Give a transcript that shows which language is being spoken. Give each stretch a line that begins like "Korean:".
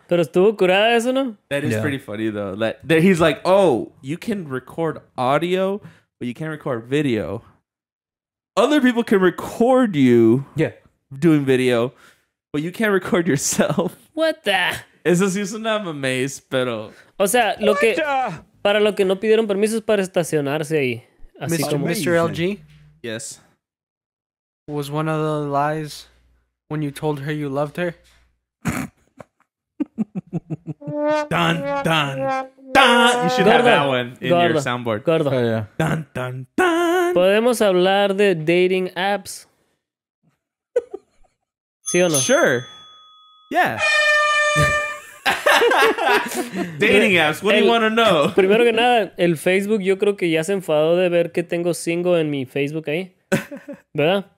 Spanish: Pero estuvo curada eso, ¿no?
English: That is pretty funny, though. That he's like, oh, you can record audio, but you can't record video. Other people can record you doing video, but you can't record yourself. What the?
Spanish: Eso sí es una mamés, pero... O sea, lo que, para lo que no pidieron permiso es para estacionarse ahí.
English: Mr. LG? Yes. Was one of the lies when you told her you loved her? Dun, dun, dun! You should
Spanish: Gordo.
English: Have that one in
Spanish: Gordo.
English: Your soundboard.
Spanish: Gordo.
English: Oh, yeah. Dun, dun, dun!
Spanish: ¿Podemos hablar de dating apps? ¿Sí o no?
English: Sure. Yeah. Dating apps, what do you want to know?
Spanish: Primero que nada, el Facebook yo creo que ya se enfadó de ver que tengo single en mi Facebook ahí, ¿verdad?